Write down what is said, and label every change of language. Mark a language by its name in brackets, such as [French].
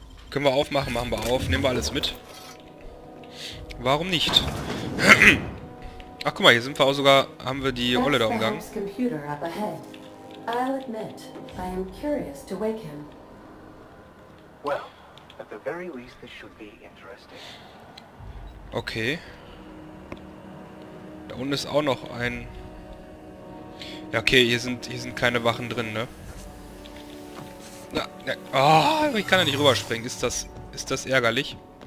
[German] Können wir aufmachen, machen wir auf. Nehmen wir alles mit. Warum nicht? Ach, guck mal, hier sind wir auch sogar... Haben wir die Rolle da umgangen. Das ist der Computer [English] up ahead. I'll admit, I am curious to wake him. Well, at the very least, this should be interesting. [German] Okay. Da unten ist auch noch ein... Ja, okay, hier sind keine Wachen drin, ne? Na, ja, ja. Oh, ich kann da nicht rüberspringen. Ist das ärgerlich?